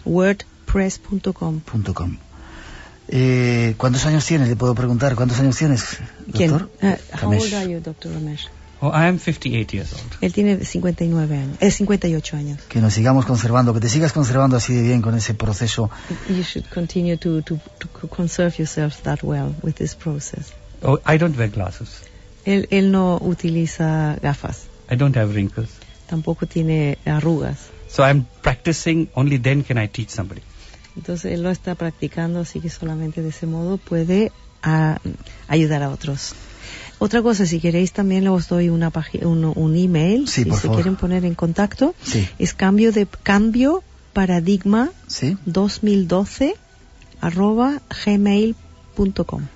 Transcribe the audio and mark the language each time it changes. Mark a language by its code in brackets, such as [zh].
[en] Wordpress.com. [es] Punto com. ¿Cuántos años tienes? Le puedo preguntar, ¿cuántos años tienes, doctor? [en] ¿Quién? How old are you, Dr. Ramesh? Oh, I am 58 years old. [es] Él tiene 59 años. Es 58 años. Que nos sigamos conservando, que te sigas conservando así de bien con ese proceso. [en] You should continue to conserve yourself that well with this process. Oh, I don't wear glasses. [es] Él no utiliza gafas. [en] I don't have wrinkles. [es] Tampoco tiene arrugas. [en] So I'm practicing, only then can I teach somebody. [es] Entonces él lo está practicando, así que solamente de ese modo puede ayudar a otros. Otra cosa, si queréis también os doy una un email, sí, si se favor. Quieren poner en contacto, sí. Es cambio paradigma, sí. 2012 @gmail.com.